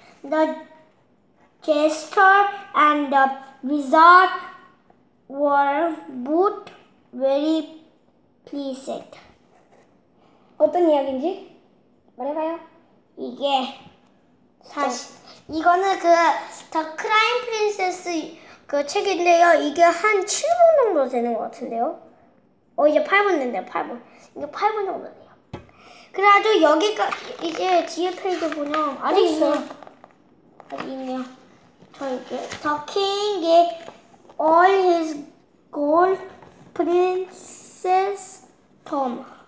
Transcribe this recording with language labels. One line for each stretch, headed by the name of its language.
English: The jester and the wizard were both very pleased.
Korean: 어떤 이야기인지 말해봐요. 이게 사실 이거는 그 The Crying Princess 그 책인데요. 이게 한 7분 정도 되는 것 같은데요. 이제 8분 됐네요. 8분. 이게 8분 정도 돼요. 그래가지고 여기까지 이제 뒤에 페이지 보면 아직 있어요. 아직 있네요. 저 이게
English: The king gave all his gold princess Tom.